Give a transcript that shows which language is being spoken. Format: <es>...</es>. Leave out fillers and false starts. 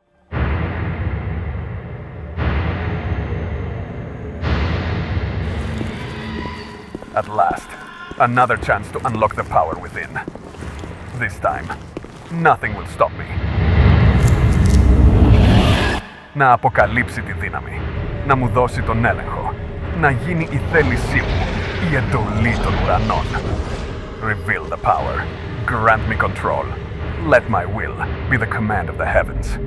<en>At last, another chance to unlock the power within. This time, nothing will stop me.</en> <el>Na αποκαλύψει τη δύναμη, να μου δώσει τον έλεγχο, να γίνει η θέλησή μου, η εντολή των ουρανών.</el> <en>Reveal the power. Grant me control. Let my will be the command of the heavens.</en>